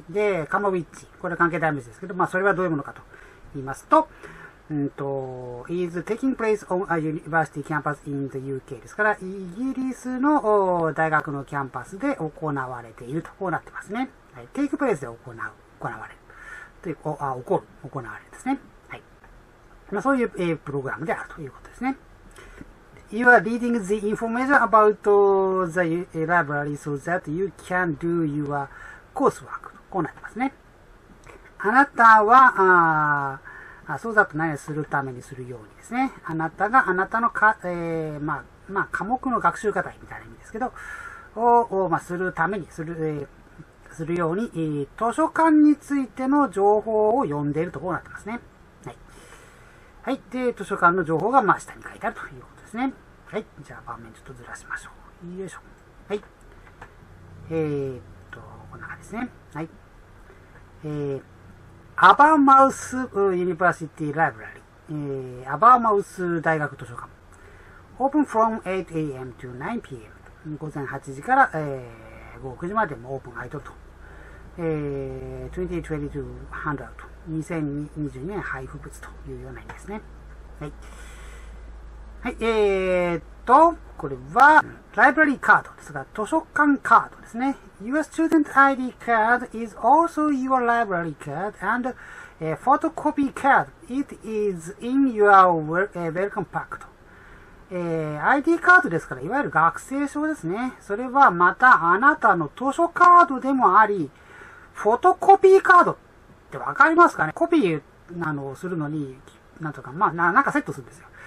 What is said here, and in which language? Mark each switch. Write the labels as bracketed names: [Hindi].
[Japanese] で、カマウィッチ。これ関係代名詞ですけど、まあ、それはどういうものかと言いますと、 [English] is taking place on a university campus in the UK [Japanese] ですから、イギリスの大学のキャンパスで行われていると、こうなってますね。はい、take place で行われる。という、行われるですね。はい。まあ、そういう、プログラムであるということですね。 [English] You are reading the information about the library so that you can do your coursework. [Japanese] こうなってますね。あなたは、そうだと何をするためにするようにですね。あなたが、あなたのか、科目の学習課題みたいな意味ですけど、を、するために、するように、図書館についての情報を読んでいるとこうなってますね。はい。はい。で、図書館の情報が、下に書いてあるということですね。はい。じゃあ、場面ちょっとずらしましょう。よいしょ。はい。こんな感じですね。はい。アバーマウスユニバーシティライブラリー。アバーマウス大学図書館。 [English] オープン from 8am to 9pm。 [Japanese] 午前8時から、午後9時までもオープン開いとると。 2022ハンドアウト。2022年配布物というような意味ですね。はい。はい、これは、ライブラリーカードですが、図書館カードですね。 [English] Your student ID card is also your library card and a photocopy card. It is in your welcome pack. [Japanese] ID カードですから、いわゆる学生証ですね。それはまた、あなたの図書カードでもあり、フォトコピーカードってわかりますかね？コピーなのをするのに、なんとか、なんかセットするんですよ。